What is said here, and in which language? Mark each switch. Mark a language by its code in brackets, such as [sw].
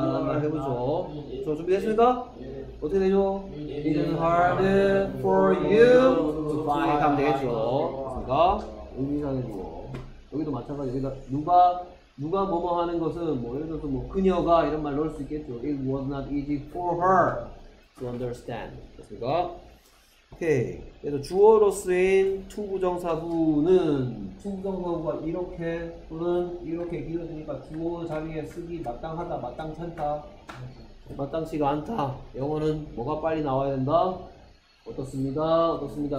[ko] 한번 해보죠. 저 준비됐습니까? 어떻게 되죠? [en] It is hard for you to find. [ko] 하면 되겠죠. 됐습니까? 의미상에도 여기도 마찬가지. 여기다 누가 뭐뭐 하는 것은 뭐 예를 들어서 뭐 그녀가 이런 말 넣을 수 있겠죠. [en] It was not easy for her to understand. [ko] 됐습니까? 오케이. 그래서 주어로 쓰인 to 부정사구는 to 부정사구가 이렇게 또는 이렇게 길어지니까 주어 자리에 쓰기 마땅하다, 마땅찮다, 마땅치가 않다. 영어는 뭐가 빨리 나와야 된다? 어떻습니까? 어떻습니까?